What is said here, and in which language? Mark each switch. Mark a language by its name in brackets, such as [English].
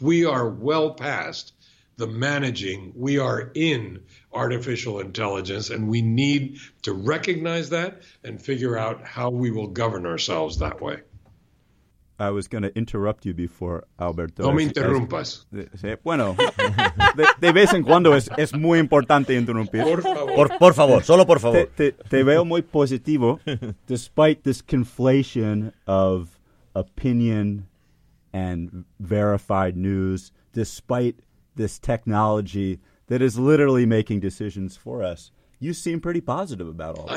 [English] We are well past the managing. We are in artificial intelligence, and we need to recognize that and figure out how we will govern ourselves that way. I was going to interrupt you before, Alberto. [Spanish] No me interrumpas. Bueno, de vez en cuando es muy importante interrumpir. Por favor. Por favor, solo por favor. Te veo muy positivo, [English] despite this conflation of opinion and verified news, despite this technology that is literally making decisions for us. You seem pretty positive about all this.